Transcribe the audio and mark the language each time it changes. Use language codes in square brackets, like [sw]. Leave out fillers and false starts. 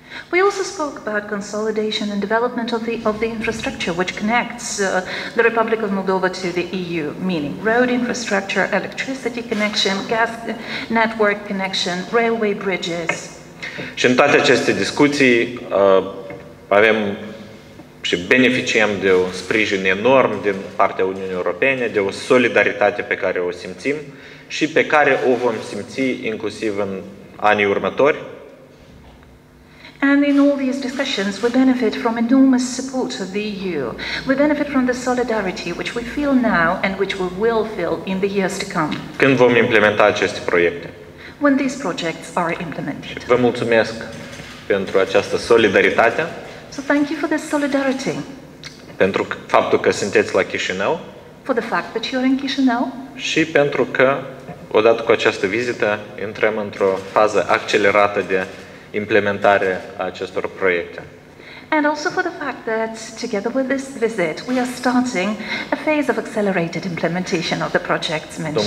[en] We also spoke about consolidation and development of the infrastructure which connects the Republic of Moldova to the EU, meaning road infrastructure, electricity connection, gas network connection, railway bridges. [ro] Și în toate aceste discuții avem și beneficiem de un sprijin enorm din partea Uniunii Europene, de o solidaritate pe care o simțim și pe care o vom simți inclusiv în anii următori. [en] And in all these discussions, we benefit from enormous support of the EU. We benefit from the solidarity which we feel now and which we will feel in the years to come. [ro] Când vom implementa aceste proiecte? [en] When these projects are implemented. [ro] Vă mulțumesc pentru această solidaritate. [en] So thank you for this solidarity. [ro] Pentru faptul că sunteți la Chișinău. [en] For the fact that you are in Chișinău. [ro] Și pentru că, odată cu această vizită, intrăm într-o fază accelerată de implementarea acestor proiecte. [en] And also for the fact that together with this visit we are starting a phase of accelerated implementation of the projects mentioned.